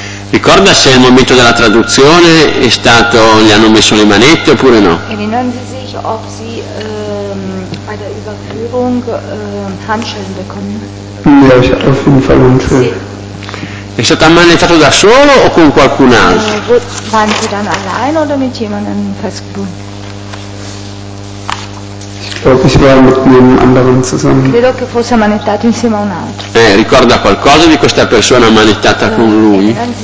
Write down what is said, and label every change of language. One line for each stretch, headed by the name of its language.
Italian: Ricorda se al momento della traduzione è stato, gli hanno messo le manette oppure no?
German: Erinnern Sie sich, ob Sie bei der Überführung Handschellen bekommen? Ja, ich hatte auf jeden Fall Handschellen.
Italian: È stato ammanettato da solo o con qualcun altro?
German: Waren Sie dann allein oder mit jemandem festgebunden? Ich glaube, ich war mit einem anderen zusammen.
Italian: Credo che fosse ammanettato insieme a un altro. Ricorda qualcosa di questa persona ammanettata con lui?